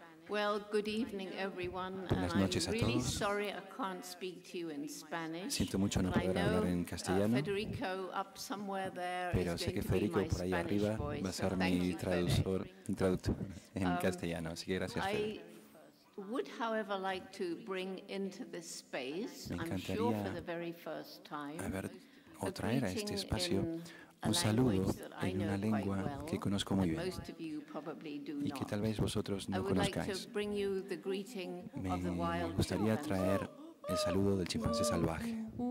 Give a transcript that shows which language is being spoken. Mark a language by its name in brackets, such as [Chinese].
[English] Well, good evening, everyone. [Spanish] Buenas noches a todos. [English] I'm really sorry I can't speak to you in Spanish. [Spanish] Siento mucho no poder hablar en castellano. [English] Federico up somewhere there. [Spanish] Pero sé que Federico por ahí arriba va a ser mi traductor, en castellano. Así que gracias, Federico. [English] I would, however, like to bring into this space, I'm sure for the very first time, [Spanish] a ver, o traer a este espacio un saludo en una lengua que conozco muy bien y que tal vez vosotros no conozcáis. Me gustaría traer el saludo del chimpancé salvaje.